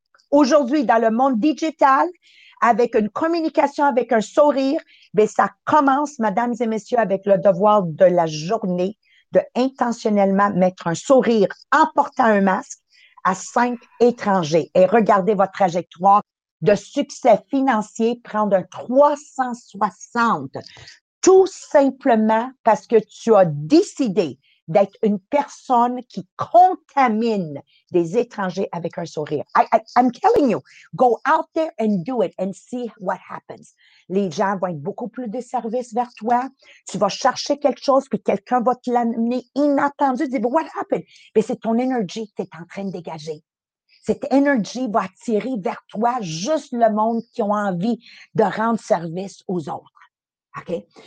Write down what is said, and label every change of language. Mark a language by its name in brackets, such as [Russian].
[French] Aujourd'hui, dans le monde digital, avec une communication, avec un sourire, bien, ça commence, mesdames et messieurs, avec le devoir de la journée de intentionnellement mettre un sourire en portant un masque à 5 étrangers. Et regardez votre trajectoire de succès financier prendre un 360. Tout simplement parce que tu as décidé d'être une personne qui contamine des étrangers avec un sourire. [English] I'm telling you, go out there and do it and see what happens. [French] Les gens vont être beaucoup plus de service vers toi. Tu vas chercher quelque chose puis quelqu'un va te l'amener inattendu. Dis, [English] what happened? [French] Mais c'est ton énergie que tu es en train de dégager. Cette énergie va attirer vers toi juste le monde qui a envie de rendre service aux autres. OK?